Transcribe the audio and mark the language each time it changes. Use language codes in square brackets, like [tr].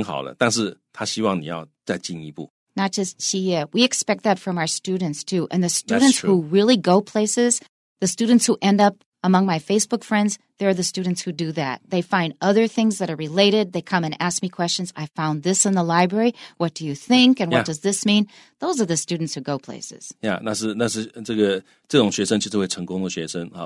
[zh] 通常来讲，这个一个进步的公司，他不只希望你员工就是该做的做好，他也希望你员工随时要想怎么样把我的工作做得更好，有什么事我可以做的让这公司更好，让大家更好。我们要真正的，我想所有的企业要的都是这种员工，而不是说我叫你一你做一你就做一，然后叫你做二就做二。你做到了已经很好了，但是他希望你要再进一步。 [en] Not just 企业, we expect that from our students too. And the students who really go places, the students who end up among my Facebook friends, there are the students who do that. They find other things that are related. They come and ask me questions. I found this in the library. What do you think? And what does this mean? Those are the students who go places. [zh] Yeah, 那是这种学生其实会成功的学生啊。